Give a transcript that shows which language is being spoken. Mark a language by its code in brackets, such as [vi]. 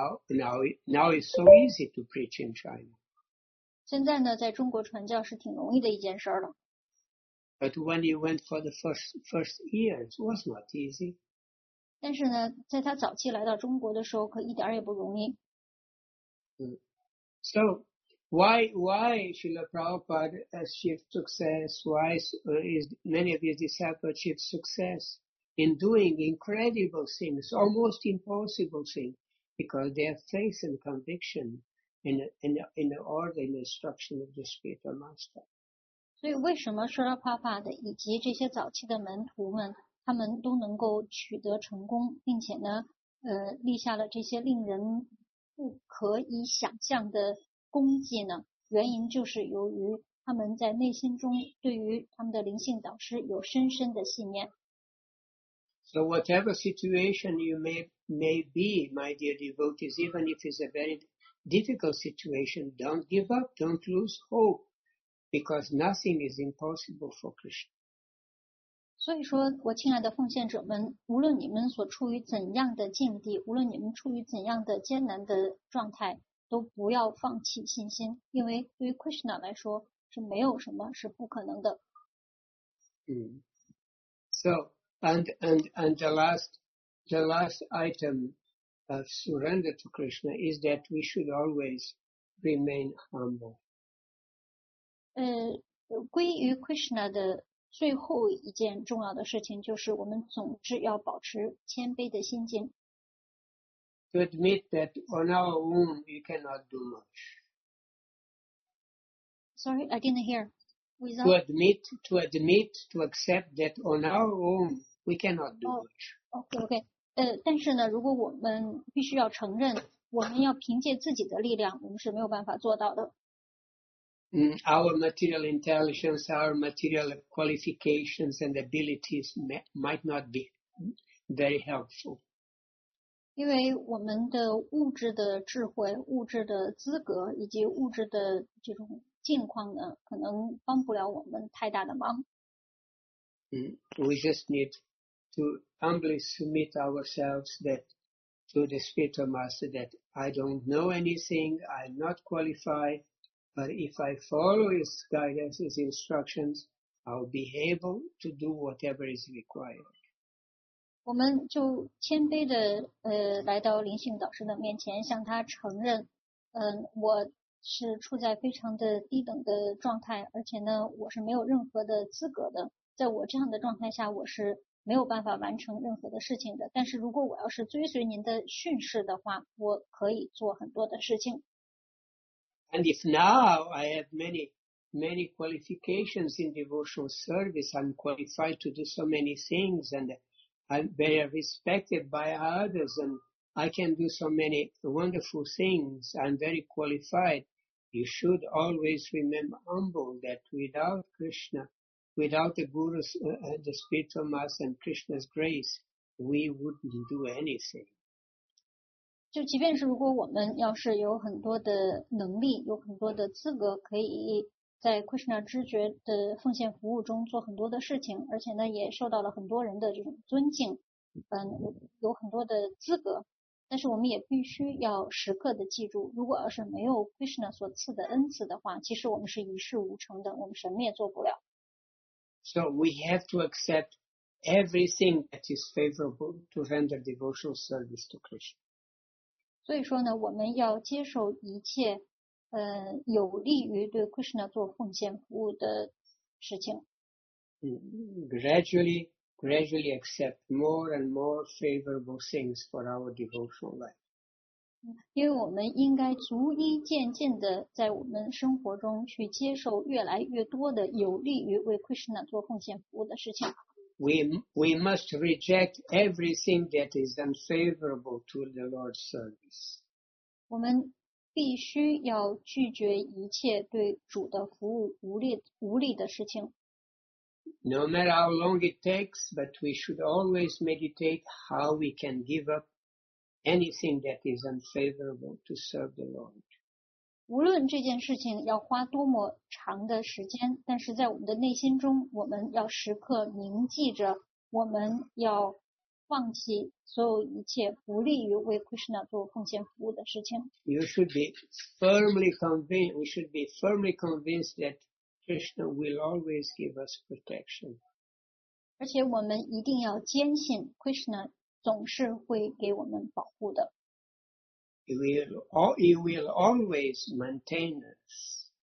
[en] Now it's so easy to preach in China. [zh] 现在呢，在中国传教是挺容易的一件事儿了。 [en] But when he went for the first years, it was not easy. [zh] 但是呢，在他早期来到中国的时候，可一点也不容易。 [en] So why Srila Prabhupada achieved success? Why is many of his disciples achieved success? In doing incredible things, almost impossible things, because they have faith and conviction in the order and instruction of the spiritual master. [zh] 所以为什么说到 Srila Prabhupada 以及这些早期的门徒们，他们都能够取得成功，并且呢，立下了这些令人不可以想象的功绩呢？原因就是由于他们在内心中对于他们的灵性导师有深深的信念。 [en] So whatever situation you may be, my dear devotees, even if it's a very difficult situation, don't give up, don't lose hope, because nothing is impossible for Krishna. [zh] 所以说，我亲爱的奉献者们，无论你们所处于怎样的境地，无论你们处于怎样的艰难的状态，都不要放弃信心，因为对于 Krishna 来说，是没有什么是不可能的。 [en] So, and the last item of surrender to Krishna is that we should always remain humble. [zh] 归于 Krishna 的最后一件重要的事情就是我们总是要保持谦卑的心境。 [en] To admit that on our own we cannot do much. Sorry, I didn't hear. Without... To accept that on our own we cannot do much. Okay. [zh] 但是呢，如果我们必须要承认，我们要凭借自己的力量，我们是没有办法做到的。 [en] Our material intelligence, our material qualifications and abilities might not be very helpful. [zh] 因为我们的物质的智慧、物质的资格以及物质的这种境况呢，可能帮不了我们太大的忙。 [en] We just need to humbly submit ourselves that to the spiritual master that I don't know anything, I'm not qualified. But if I follow his guidance, his instructions, I'll be able to do whatever is required. [zh] 我们就谦卑的来到灵性导师的面前，向他承认，我是处在非常的低等的状态，而且呢，我是没有任何的资格的。在我这样的状态下，我是没有办法完成任何的事情的。但是如果我要是追随您的训示的话，我可以做很多的事情。 [en] And if now I have many qualifications in devotional service, I'm qualified to do so many things, and I'm very respected by others, and I can do so many wonderful things, I'm very qualified. You should always remember humble that without Krishna, without the Guru's, the spiritual master and Krishna's grace, we wouldn't do anything. [zh] 就即便是如果我们要是有很多的能力，有很多的资格，可以在 Krishna 知觉的奉献服务中做很多的事情，而且呢也受到了很多人的这种尊敬，有很多的资格，但是我们也必须要时刻的记住，如果要是没有 Krishna 所赐的恩赐的话，其实我们是一事无成的，我们什么也做不了。 [en] So we have to accept everything that is favorable to render devotional service to Krishna. [zh] 所以说呢，我们要接受一切，有利于对 Krishna 做奉献服务的事情。 [en] Gradually accept more and more favorable things for our devotional life. [zh] 因为我们应该逐一渐进的在我们生活中去接受越来越多的有利于为 Krishna 做奉献服务的事情。 [en] We must reject everything that is unfavorable to the Lord's service. [zh] 我们必须要拒绝一切对主的服务无利的事情。 [en] No matter how long it takes, but we should always meditate how we can give up anything that is unfavorable to serve the Lord. [zh] 无论这件事情要花多么长的时间，但是在我们的内心中，我们要时刻铭记着，我们要放弃所有一切不利于为 Krishna 做奉献服务的事情。 [en] We should be firmly convinced that Krishna will always give us protection. [zh] 而且我们一定要坚信 Krishna 总是会给我们保护的。 [en] He will always maintain us.